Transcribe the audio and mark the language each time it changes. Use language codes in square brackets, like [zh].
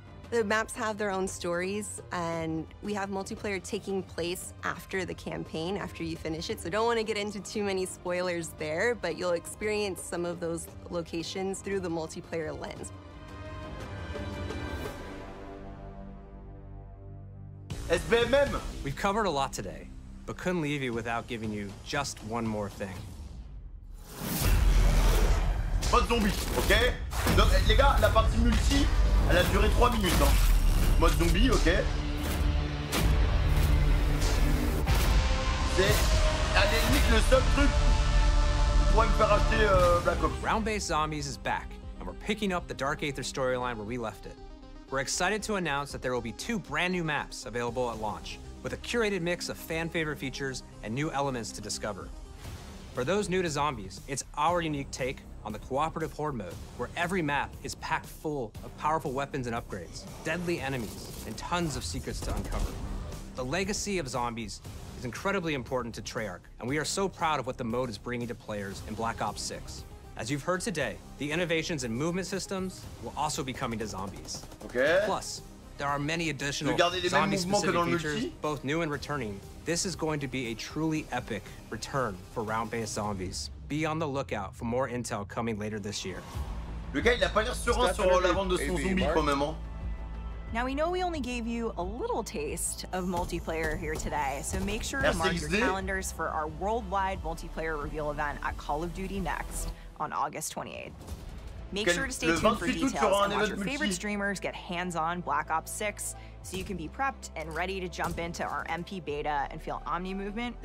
[en] The maps have their own stories, and we have multiplayer taking place after the campaign, after you finish it, so don't want to get into too many spoilers there, but you'll experience some of those locations through the multiplayer lens. SBMM. We've covered a lot today, but couldn't leave you without giving you just one more thing. [fr] Pas de zombies, ok? Donc, les gars, la partie multi, elle a duré 3 minutes, hein. Mode zombie, ok? C'est, à la limite, le seul truc qui pourrait me faire acheter Black Ops. [en] Round-based zombies is back, and we're picking up the Dark Aether storyline where we left it. We're excited to announce that there will be two brand new maps available at launch, with a curated mix of fan favorite features and new elements to discover. For those new to zombies, it's our unique take on the cooperative horde mode, where every map is packed full of powerful weapons and upgrades, deadly enemies, and tons of secrets to uncover. The legacy of zombies is incredibly important to Treyarch, and we are so proud of what the mode is bringing to players in Black Ops 6. As you've heard today, the innovations in movement systems will also be coming to zombies. Okay. Plus, there are many additional zombie-specific features, both new and returning. This is going to be a truly epic return for round-based zombies. Be on the lookout for more intel coming later this year. [fr] Le gars, il a pas l'air serein sur la vente de son zombie quand même, hein. [en] Now we know we only gave you a little taste of multiplayer here today, so make sure to mark your calendars for our worldwide multiplayer reveal event at Call of Duty Next on August 28th. Make sure to stay tuned for details and watch your favorite streamers get hands-on Black Ops 6 so you can be prepped and ready to jump into our MP beta and feel Omni movement.